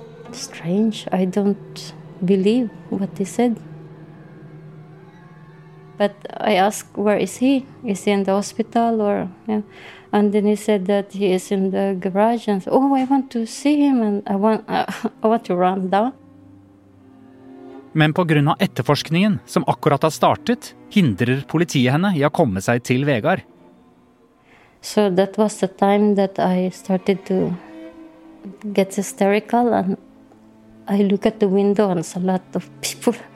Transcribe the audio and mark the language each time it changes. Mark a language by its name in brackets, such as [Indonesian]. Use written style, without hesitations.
[English] Strange, I don't believe what he said. But I asked, where is he? Is he in the hospital? Or yeah. And then he said that he is in the garage. And oh, I want to see him and I want to run down. [Norwegian] Men på grunn av etterforskningen som akkurat har startet, hindrer politiet henne i å komme seg til Vegard. [English] So that was the time that I started to get hysterical and I look at the window and saw a lot of people.